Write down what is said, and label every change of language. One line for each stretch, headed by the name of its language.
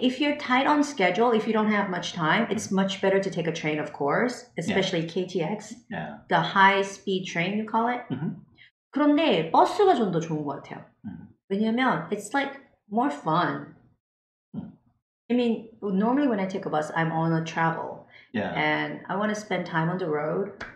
English: If you're tight on schedule, if you don't have much time, it's much better to take a train, of course. Especially yeah. KTX. Yeah. The high-speed train, you call it. Mm-hmm.
Korean: 그런데 버스가 좀 더 좋은 것 같아요.
English: Mm-hmm.
Korean: 왜냐면
English: it's like more fun. Mm-hmm. I mean, normally when I take a bus, I'm on a travel. Yeah. And I want to spend time on the road.